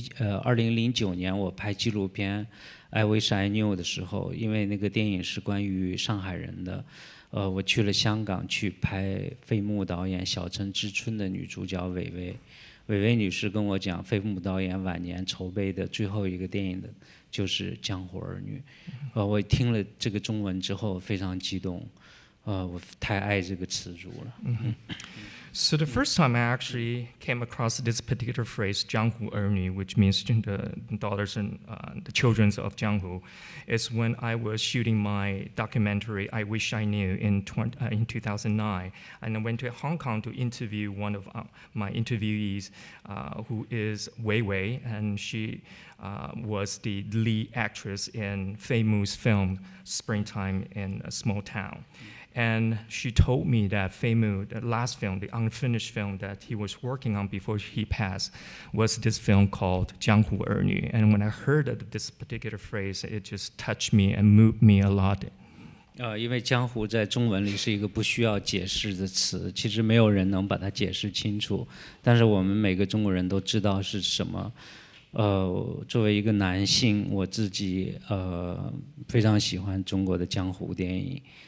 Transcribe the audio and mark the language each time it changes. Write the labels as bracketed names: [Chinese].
[Chinese] 中文的片名《江湖儿女》，这个电影的名字，我第一次听说是，这个词我第一次听说是在2009年我拍纪录片。I wish I knew 的时候，因为那个电影是关于上海人的，我去了香港去拍费穆导演《小城之春》的女主角韦韦。韦韦女士跟我讲，费穆导演晚年筹备的最后一个电影的就是《江湖儿女》，我听了这个中文之后非常激动，我太爱这个词组了。 [English] So the first time I actually came across this particular phrase, Jianghu Ernu, which means the daughters and the children of Jianghu, is when I was shooting my documentary, I Wish I Knew, in 2009. And I went to Hong Kong to interview one of my interviewees, who is Wei Wei, and she was the lead actress in Fei Mu's film, Springtime in a Small Town. And she told me that Fei Mu, the last film, the unfinished film that he was working on before he passed, was this film called Jianghu Ernu. And when I heard of this particular phrase, it just touched me and moved me a lot. [Chinese] 因为江湖在中文里是一个不需要解释的词，其实没有人能把它解释清楚，但是我们每个中国人都知道是什么。作为一个男性，我自己非常喜欢中国的江湖电影。